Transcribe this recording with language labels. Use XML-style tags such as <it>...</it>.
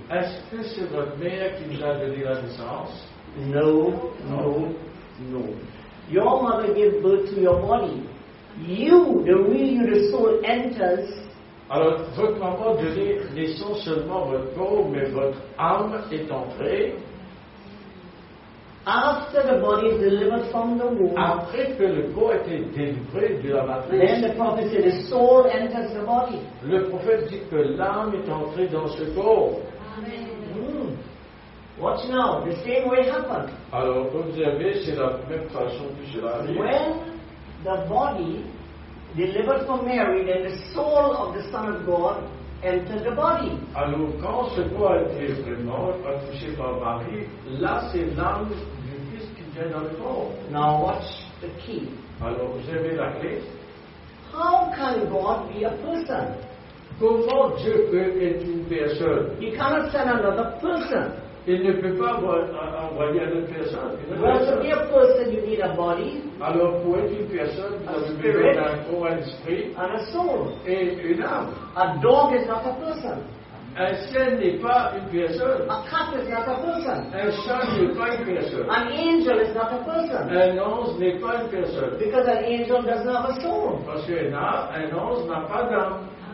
<fr>Est-ce que c'est votre mère qui vous a donné la naissance?</fr> <en>No, no, no. No. Your mother gave birth to your body. You, the real you, the soul, enters.</en> <fr>Alors, votre maman donnait naissance seulement votre corps, mais votre âme est entrée.</fr> <en>After the body is delivered from the womb.</en> <fr>Après que le corps a été délivré de la matrice.</fr> <en>Then the prophet said the soul enters the body.</en> <fr>Le prophète dit que l'âme est entrée dans ce corps.</fr> <en>Amen. Watch now, the same way happened.</en> <fr>Alors, comme vous avez, c'est la même façon que cela arrive.</fr> <en>When the body delivered from Mary, then the soul of the Son of God entered the body.</en> <fr>Alors, quand ce corps a été vraiment accouché par Marie, là c'est l'âme du Fils qui vient dans le corps.</fr> <en>Now watch the key.</en> <fr>Alors, vous avez la clé.</fr> <en>How can God be a person?</en> <fr>Comment Dieu peut être une personne?</fr> <en>He cannot send another person.</en> <fr>Il ne peut pas envoyer une autre personne.</fr> <en>Well, to be a person, you need a body.</en> <fr>Alors, pour être une personne,</fr> <en>a</en> <fr>vous avez besoin d'un corps, un esprit.</fr> <en>And a soul.</en> <fr>Et une âme.</fr> <en>A dog is not a person.</en> <fr>Un chien n'est pas une personne.</fr> <en>A cat is not a person.</en> <fr>Un chat n'est pas une personne.</fr> <en>An angel is not a person.</en> <fr>Un ange n'est pas une personne.</fr> <en>Because an angel does not have a soul.</en> <fr>Parce qu'un âme, un ange n'a pas d'âme.</fr>